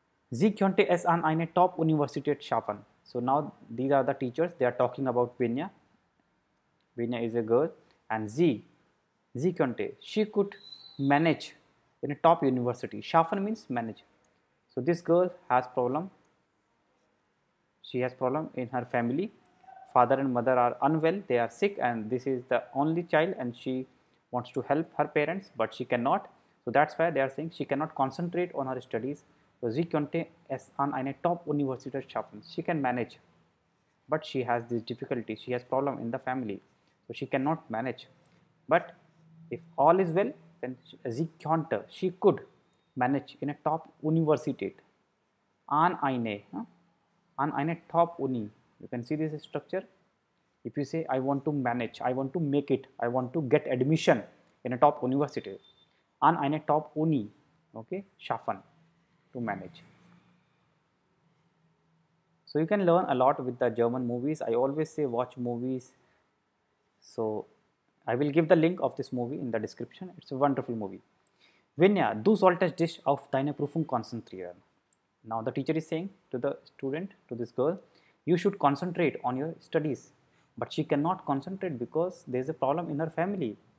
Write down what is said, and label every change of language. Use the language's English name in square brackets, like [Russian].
[German] Sie könnte es an eine top Universität schaffen. [English] So now these are the teachers, they are talking about Venya. Venya is a girl and [German] sie könnte, [English] she could manage in a top university. Schaffen means manage. So this girl has problem. She has problem in her family. Father and mother are unwell, they are sick, and this is the only child and she wants to help her parents, but she cannot. So that's why they are saying she cannot concentrate on her studies. [German] So sie könnte es an eine top Universität schaffen. [English] She can manage, but she has this difficulty. She has problem in the family, so she cannot manage. But if all is well, then [German] sie könnte, [English] she could manage in a top Universität. [German] An eine top Uni. [English] You can see this structure. If you say, I want to manage, I want to make it, I want to get admission in a top university. [German] An eine top Uni, okay, schaffen, [English] to manage. So you can learn a lot with the German movies. I always say watch movies. So I will give the link of this movie in the description. It's a wonderful movie. [German] Venya, du solltest dich auf deine Prüfung konzentrieren. [English] Now the teacher is saying to the student, to this girl, you should concentrate on your studies. But she cannot concentrate because there is a problem in her family.